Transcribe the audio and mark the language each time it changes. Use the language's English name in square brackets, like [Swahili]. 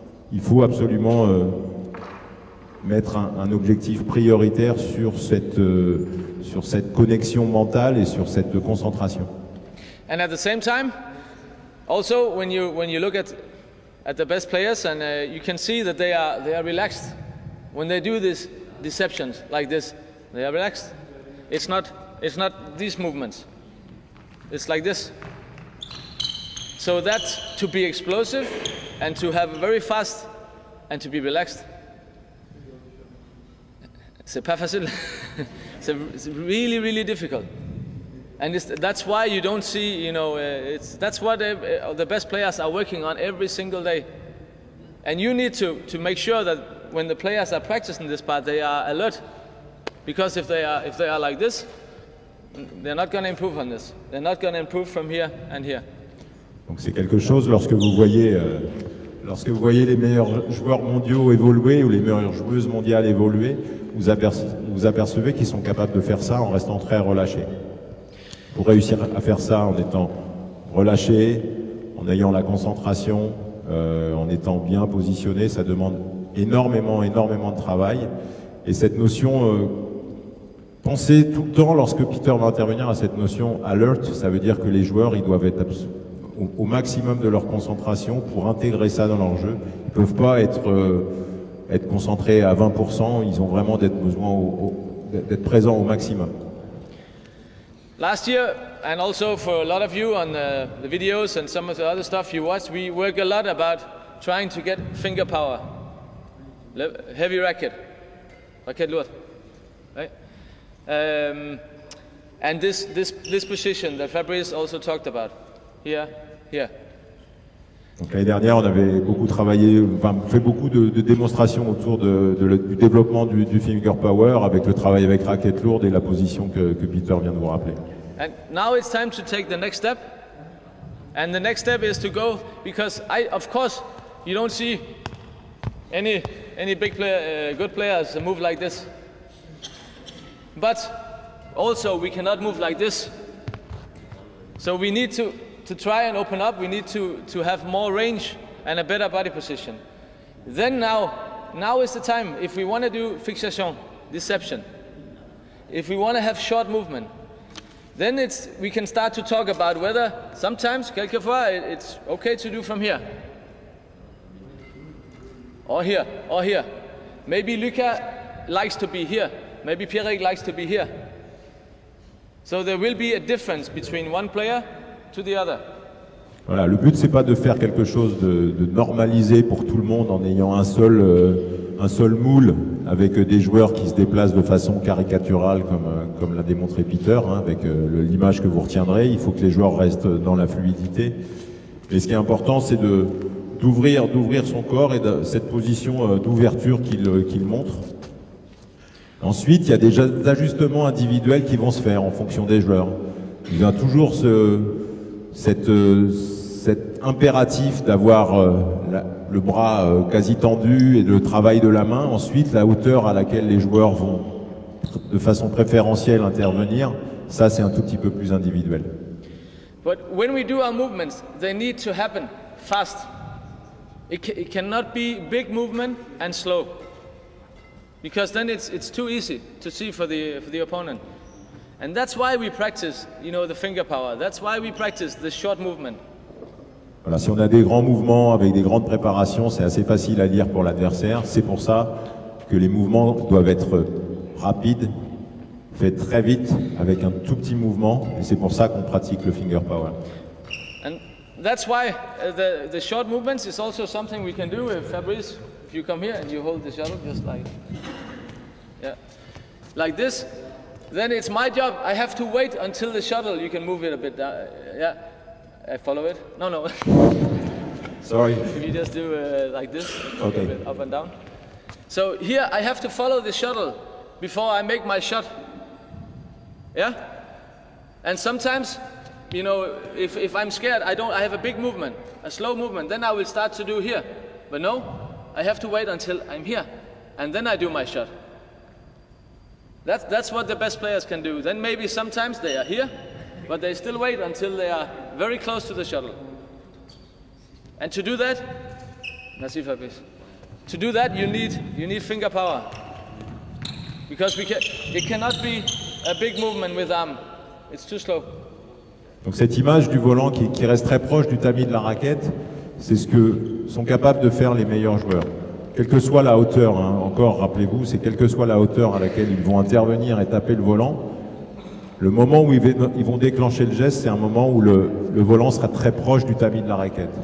[French] Il faut absolument mettre un objectif prioritaire sur cette connexion mentale et sur cette concentration. [English] And at the same time, also when you look at the best players and you can see that they are relaxed when they do these deceptions like this, they are relaxed. It's not these movements. It's like this. So that to be explosive and to have very fast and to be relaxed. [French] C'est pas facile. [English] It's really, really difficult, and that's why you don't see. You know, that's what the best players are working on every single day, and you need to make sure that when the players are practicing this part, they are alert, because if they are like this, They're not going to improve on this. They're not going to improve from here and here. [French] Donc c'est quelque chose lorsque vous voyez les meilleurs joueurs mondiaux évoluer ou les meilleures joueuses mondiales évoluer, vous apercevez qu'ils sont capables de faire ça en restant très relâchés. Pour réussir à faire ça en étant relâché, en ayant la concentration, en étant bien positionné, ça demande énormément de travail. Et cette notion, pensez tout le temps lorsque Peter va intervenir à cette notion alert, ça veut dire que les joueurs, ils doivent être au maximum de leur concentration pour intégrer ça dans leur jeu. Ils ne peuvent pas être concentrés à 20%, ils ont vraiment d'être présents au maximum. [English] Last year, and also for a lot of you on the videos and some of the other stuff you watched, we worked a lot about trying to get finger power. Heavy racket. [French] Racket lourd. [English] Right? And this position that Fabrice also talked about. Here. [French] Donc l'année dernière, on avait beaucoup travaillé, enfin, fait beaucoup de démonstrations autour du développement du finger power avec le travail avec raquette lourde et la position que Peter vient de vous rappeler. [English] And now it's time to take the next step. And the next step is to go, because I, of course, you don't see any big player, good players move like this. But also, we cannot move like this. So we need to try and open up, we need to have more range and a better body position. Then now is the time, if we want to do fixation, deception, if we want to have short movement, then we can start to talk about whether sometimes, [French] quelquefois, [English] it's okay to do from here. Or here. Maybe Lucas likes to be here. Maybe Pierrick likes to be here. So there will be a difference between one player to the other. [French] Voilà, le but c'est pas de faire quelque chose de normalisé pour tout le monde en ayant un seul moule avec des joueurs qui se déplacent de façon caricaturale comme l'a démontré Peter, hein, avec l'image que vous retiendrez. Il faut que les joueurs restent dans la fluidité. Et ce qui est important, c'est d'ouvrir son corps et cette position d'ouverture qu'il montre. Ensuite, il y a des ajustements individuels qui vont se faire en fonction des joueurs. Il y a toujours cet impératif d'avoir le bras quasi tendu et le travail de la main. Ensuite, la hauteur à laquelle les joueurs vont de façon préférentielle intervenir, ça c'est un tout petit peu plus individuel. [English] But when we do our movements, they need to happen fast. It cannot be big movement and slow. Because then it's too easy to see for the opponent. And that's why we practice, you know, the finger power. That's why we practice the short movement. [French] Voilà, si on a des grands mouvements avec des grandes préparations, c'est assez facile à lire pour l'adversaire. C'est pour ça que les mouvements doivent être rapides, faits très vite avec un tout petit mouvement. Et c'est pour ça qu'on pratique le finger power. [English] And that's why the short movements is also something we can do with Fabrice. If you come here and you hold the shuttle just like, yeah, like this, then it's my job. I have to wait until the shuttle. You can move it a bit. Yeah, I follow it. No. Sorry. If you just do like this, okay, a bit up and down. So here I have to follow the shuttle before I make my shot. Yeah. And sometimes, you know, if I'm scared, I have a big movement, a slow movement. Then I will start to do here. But no. I have to wait until I'm here, and then I do my shot. That's what the best players can do. Then maybe sometimes they are here, but they still wait until they are very close to the shuttle. And to do that, [French] merci [English] Fabrice. To do that, you need finger power. Because it cannot be a big movement with arm. It's too slow. [French] Donc cette image du volant qui reste très proche du tamis de la raquette, c'est ce que sont capables de faire les meilleurs joueurs. Quelle que soit la hauteur, hein, encore rappelez-vous, c'est quelle que soit la hauteur à laquelle ils vont intervenir et taper le volant, le moment où ils vont déclencher le geste, c'est un moment où le volant sera très proche du tamis de la raquette.